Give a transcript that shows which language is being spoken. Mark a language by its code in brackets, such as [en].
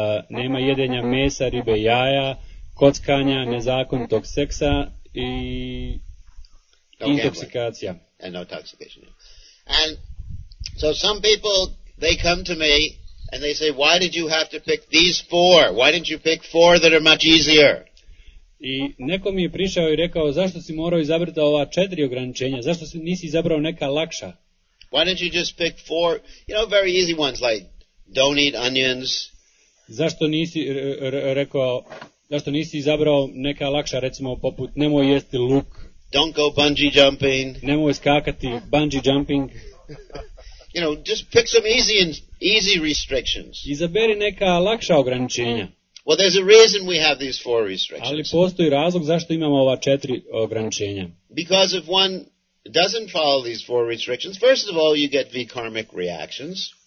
[hr] Nema jedenja mesa, ribe, jaja, kockanja, nezakonitog seksa i [en] no [hr] intoksikacija. [en] And no intoxication. And so some people they come to me and they say, why did you have to pick these four? Why didn't you pick four that are much easier? [hr] I neko mi je prišao i rekao, zašto si morao izabrati ova četiri ograničenja? Zašto si nisi izabrao neka lakša? [en] Why didn't you just pick four, you know, very easy ones like don't eat onions? [hr] Zašto nisi rekao, zašto nisi izabrao neka lakša, recimo poput nemoj jesti luk? [en] Don't go bungee jumping. [hr] Nemoj skakati bungee jumping. [en] You know, just pick some easy restrictions. [hr] Izaberi neka lakša ograničenja. [en] Well, there's a reason we have these four restrictions. [hr] Ali postoji razlog zašto imamo ova četiri ograničenja. [en] Because if one doesn't follow these four restrictions, first of all, you get vikarmic reactions.